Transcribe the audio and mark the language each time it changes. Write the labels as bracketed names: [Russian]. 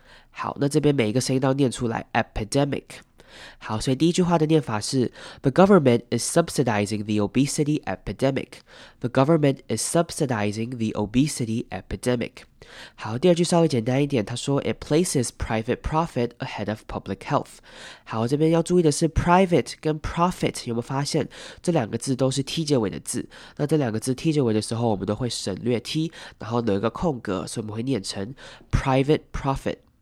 [Chinese] 好，那这边每一个声音都念出来 epidemic。好，所以第一句话的念法是 [English] The government is subsidizing the obesity epidemic. The government is subsidizing the obesity epidemic. [Chinese] 好，第二句稍微简单一点，他说 [English] It places private profit ahead of public health. [Chinese] 好，这边要注意的是 private 跟 profit 有没有发现这两个字都是 T 结尾的字，那这两个字 T 结尾的时候我们都会省略 T， 然后留一个空格，所以我们会念成 [English] private profit。